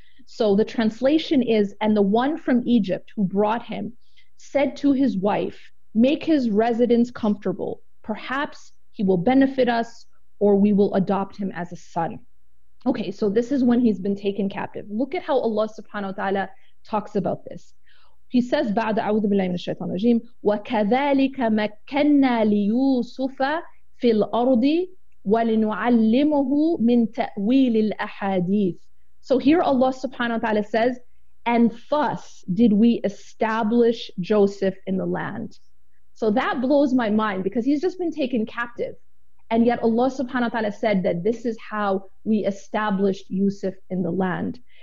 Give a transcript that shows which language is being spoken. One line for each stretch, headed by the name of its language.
English: So the translation is, and the one from Egypt who brought him said to his wife, make his residence comfortable. Perhaps he will benefit us, or we will adopt him as a son. Okay, so this is when he's been taken captive. Look at how Allah subhanahu wa ta'ala talks about this. He says,
Arabic: بعد أعوذ بالله من الشيطان الرجيم وَكَذَلِكَ مَكَّنَّا لِيُوسُفَ فِي الْأَرْضِ وَلِنُعَلِّمُهُ مِن تَأْوِيلِ الْأَحَادِيثِ.
English: So here Allah subhanahu wa ta'ala says, and thus did we establish Joseph in the land. So that blows my mind, because he's just been taken captive. And yet Allah subhanahu wa ta'ala said that this is how we established Yusuf in the land.